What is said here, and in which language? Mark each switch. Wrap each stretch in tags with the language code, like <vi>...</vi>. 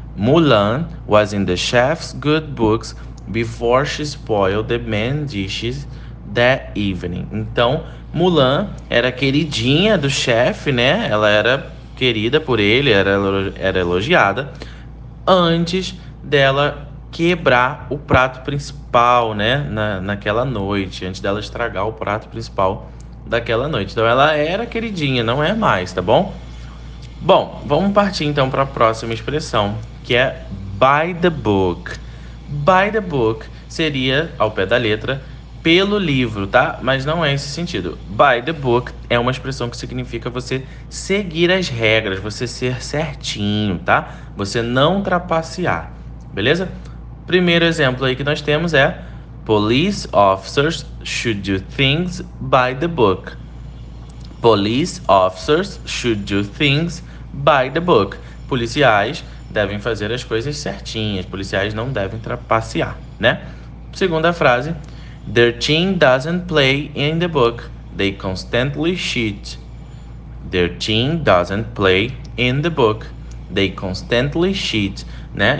<en>Mulan was in the chef's good books before she spoiled the main dishes that evening.</en> <pt>Então, Mulan era queridinha do chefe, né? Ela era querida por ele, era elogiada antes dela quebrar o prato principal, né? Naquela noite, antes dela estragar o prato principal daquela noite. Então, ela era queridinha, não é mais, tá bom? Bom, vamos partir então para a próxima expressão, que é</pt> <en>by the book. By the book</en> <pt>seria ao pé da letra pelo livro, tá? Mas não é esse sentido.</pt> <en>By the book</en> <pt>é uma expressão que significa você seguir as regras, você ser certinho, tá? Você não trapacear, beleza? Primeiro exemplo aí que nós temos é:</pt> <en>Police officers should do things by the book. Police officers should do things by the book.</en> <pt>Policiais devem fazer as coisas certinhas, policiais não devem trapacear, né? Segunda frase.</pt> <en>Their team doesn't play in the book. They constantly cheat. Their team doesn't play in the book. They constantly cheat, né?</en>